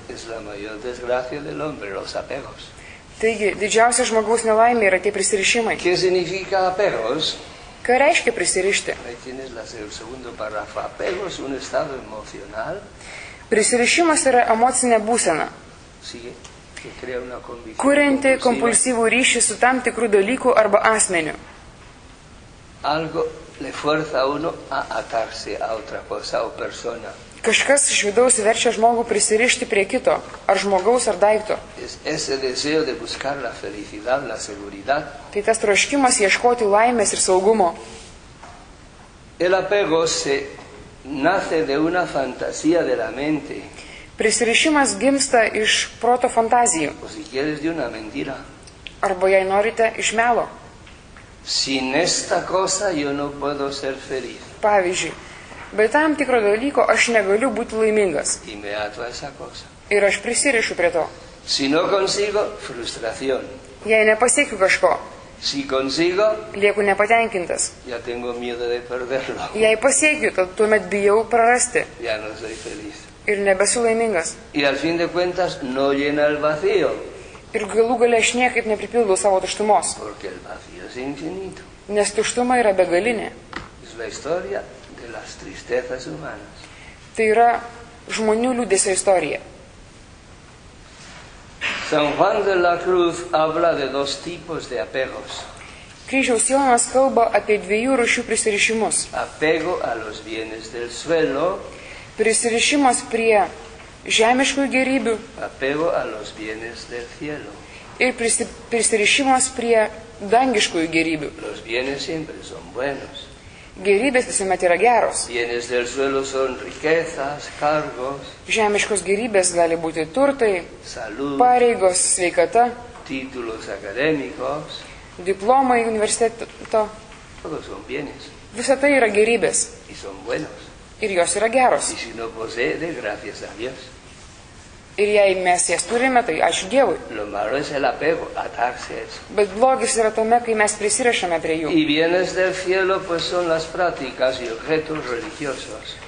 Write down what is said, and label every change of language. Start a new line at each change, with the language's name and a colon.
Spanish: Es la mayor desgracia del hombre, los apegos.
Lithuanian: Taigi, didžiausia žmogaus nelaimė yra tie prisirišimai.
Spanish: ¿Qué significa apegos?
Lithuanian: Ką reiškia prisirišti?
Spanish: Ahí tienes el segundo párrafo. Apegos, un estado emocional.
Lithuanian: Prisirišimas yra emocinė būsena.
Spanish: Sigue. Que crea una convicción.
Lithuanian: Kurianti kompulsyvų ryšį su tam tikrų dalykų arba asmeniu.
Spanish: Algo le fuerza a uno a atarse a otra cosa o persona.
Lithuanian: Kažkas iš vidaus verčia žmogų prisirišti prie kito, ar žmogaus, ar daikto.
Spanish: Ese deseo de buscar la felicidad, la seguridad.
Lithuanian: Tai tas troškimas ieškoti laimės ir saugumo.
Spanish: El apego se nace de una fantasía de la mente.
Lithuanian: Prisirišimas gimsta iš proto fantazijų.
Spanish: O si quieres de una mentira.
Lithuanian: Arba jei norite, iš melo.
Spanish: Sin esta cosa yo no puedo ser feliz.
Lithuanian: Pavyzdžiui. Bet tam tikro dalyko aš negaliu būti laimingas. Ir aš prisirišu prie to.
Spanish: Si no consigo, frustración.
Lithuanian: Jei nepasiekiu kažko.
Spanish: Si consigo,
Lithuanian: lieku nepatenkintas.
Spanish: Ya tengo miedo de perderlo.
Lithuanian: Jei pasiekiu, tuomet bijau prarasti.
Spanish: Ya no soy feliz.
Lithuanian: Ir nebesu laimingas.
Spanish: Y al fin de cuentas, no llena el vacío.
Lithuanian: Ir galų galia aš niekaip nepripildau savo tuštumos.
Spanish: Porque el vacío es infinito.
Lithuanian: Nes tuštuma yra begalinė.
Spanish: Es la historia de las tristezas humanas.
Lithuanian: Tai yra žmonių liūdesio istorija.
Spanish: San Juan de la Cruz habla de dos tipos de apegos.
Lithuanian: Kryžiaus Jonas kalba apie dviejų rūšių prisirišimus.
Spanish: Apego a los bienes del suelo.
Lithuanian: Prisirišimas prie žemiškų gėrybių.
Spanish: Apego a los bienes del cielo.
Lithuanian: Ir prisirišimas prie dangiškų gėrybių.
Spanish: Los bienes siempre son buenos.
Lithuanian: Gėrybės visuomet yra geros.
Spanish: Bienes del suelo son riquezas, cargos.
Lithuanian: Žemiškos gėrybės gali būti turtai,
Spanish: salud,
Lithuanian: pareigos, sveikata,
Spanish: títulos académicos,
Lithuanian: diplomai universiteto.
Spanish: Todos son bienes.
Lithuanian: Visa tai yra gėrybės.
Spanish: Y son buenos.
Lithuanian: Ir jos yra geros.
Spanish: Y si no posee, gracias a Dios.
Lithuanian: Ir jei mes jas turime, tai ačiū Dievui.
Spanish: Lo malo es el apego, atarse a eso.
Lithuanian: Bet blogis yra tame, kai mes prisirišame prie jų.
Spanish: Y bienes del cielo, pues son las prácticas y objetos religiosos.